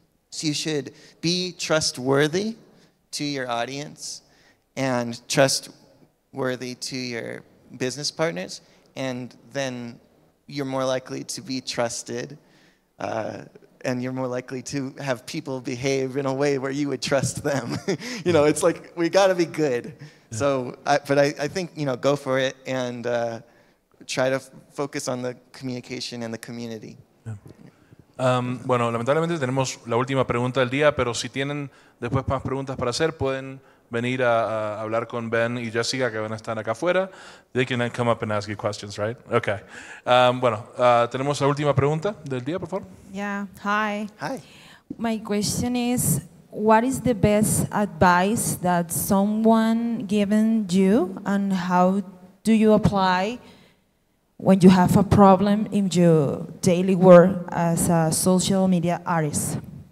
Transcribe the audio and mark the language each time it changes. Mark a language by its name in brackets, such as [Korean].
[English] So you should be trustworthy to your audience and trustworthy to your business partners, and then you're more likely to be trusted, and you're more likely to have people behave in a way where you would trust them. You know, it's like, we gotta be good. Yeah. So, I think, you know, go for it, and try to focus on the communication and the community. Yeah. [Spanish] Bueno, lamentablemente tenemos la última pregunta del día, pero si tienen después más preguntas para hacer, pueden venir a hablar con Ben y Jessica, que van a estar acá afuera. [English] They can then come up and ask you questions, right? Okay. [Spanish] Tenemos la última pregunta del día, por favor. [English] Yeah. Hi. Hi. My question is, what is the best advice that someone given you, and how do you apply when you have a problem in your daily work as a social media artist?